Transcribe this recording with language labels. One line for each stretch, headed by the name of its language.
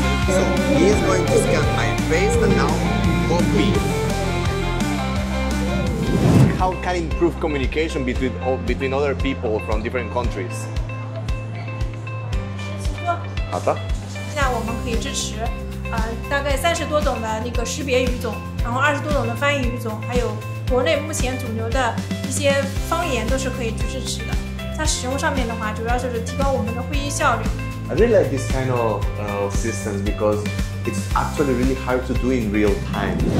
English: So he is going to scan my face and now copy. How can improve communication between other people from different countries?
Chinese: 好的。现在我们可以支持，大概30多种的那个识别语种，然后20多种的翻译语种，还有国内目前主流的一些方言都是可以去支持的。在使用上面的话，主要就是提高我们的会议效率。
English: I really like this kind of system because it's actually really hard to do in real time.